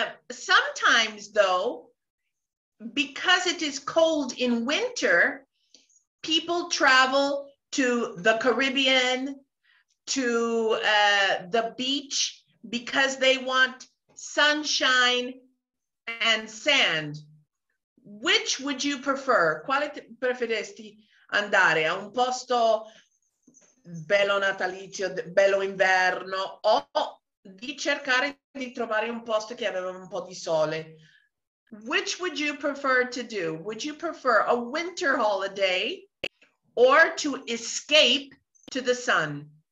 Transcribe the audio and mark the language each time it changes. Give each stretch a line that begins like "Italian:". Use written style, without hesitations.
English: Sometimes though, because it is cold in winter, people travel to the Caribbean, to the beach, because they want sunshine and sand. Which would you prefer?
Italian: Quale preferesti andare? A un posto bello natalizio, bello inverno, o di cercare di trovare un posto che aveva un po' di sole.
English: Which would you prefer to do? Would you prefer a winter holiday or to escape to the sun?